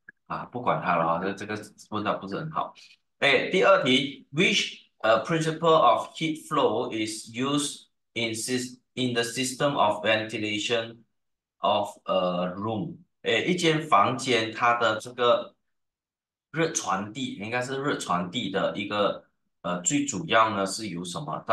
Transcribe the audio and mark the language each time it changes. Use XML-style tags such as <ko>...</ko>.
<zh>啊，不管它了，这个问的不是很好。</zh> <en>哎，第二题，which principle of heat flow is used in the system of ventilation？</en> <zh>of a room，诶，一间房间，它的这个热传递应该是热传递的一个最主要呢是由什么？</zh>